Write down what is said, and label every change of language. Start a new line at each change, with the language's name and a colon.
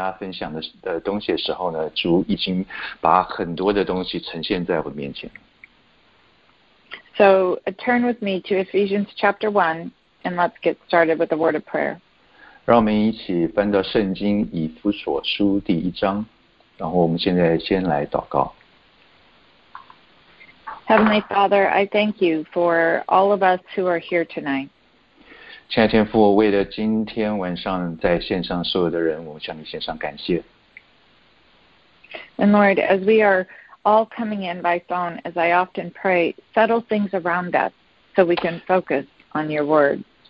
Chinese: 当我寻求我今天要跟大家分享的东西的时候呢, 主已经把很多的东西呈现在我面前。
English: So turn with me to Ephesians chapter 1, and let's get started with a word of prayer.
Chinese: 让我们一起翻到圣经以弗所书第一章, 然后我们现在先来祷告。
English: Heavenly Father, I thank you for all of us who are here tonight.
Chinese: 亲爱的天父，为了今天晚上在线上所有的人，我向你献上感谢。
English: And Lord, as we are all coming in by phone, as I often pray, settle things around us so we can focus on your word.